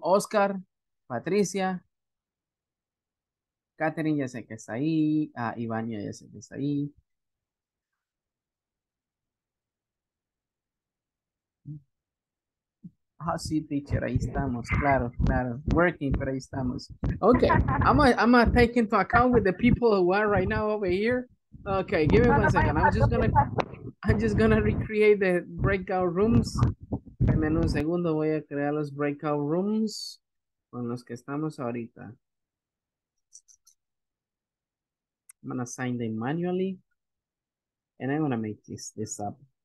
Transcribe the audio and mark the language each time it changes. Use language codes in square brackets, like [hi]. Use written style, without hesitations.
[es] Oscar, Patricia, Catherine, ya sé que está ahí. Ivania, ya sé que está ahí. Ah, Ah, sí, teacher, ahí estamos, claro, claro, working, pero ahí estamos. [en] Okay, I'm gonna take into account with the people who are right now over here. Okay, give me one second. I'm just gonna recreate the breakout rooms. [es] En un segundo voy a crear los breakout rooms con los que estamos ahorita. [en] I'm gonna sign them manually, and I'm gonna make this up.